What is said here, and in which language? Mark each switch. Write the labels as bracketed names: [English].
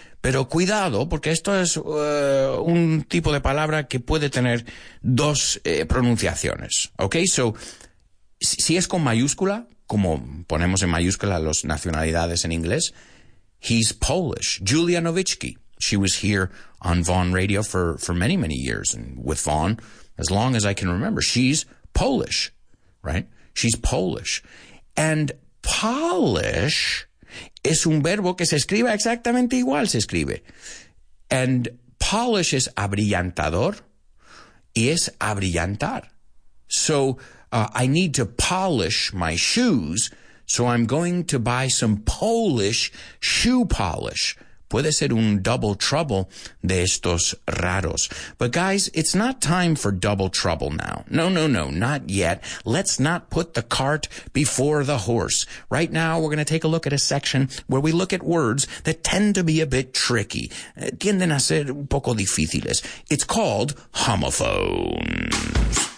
[Spanish] Pero cuidado, porque esto es un tipo de palabra que puede tener dos pronunciaciones. Okay, so si es con mayúscula, como ponemos en mayúscula las nacionalidades en inglés, [English] he's Polish. Julia Nowicki. She was here on Vaughn Radio for many, many years. And with Vaughn, as long as I can remember, she's Polish, right? She's Polish. And Polish [Spanish] es un verbo que se escribe exactamente igual, se escribe. [English] And Polish is [Spanish] abrillantador y es abrillantar. [English] So I need to polish my shoes So I'm going to buy some Polish shoe polish. [Spanish] Puede ser un double trouble de estos raros. [English] But guys, it's not time for double trouble now. No, no, no, not yet. Let's not put the cart before the horse. Right now, we're going to take a look at a section where we look at words that tend to be a bit tricky. [Spanish] Tienden a ser un poco difíciles. [English] It's called homophones.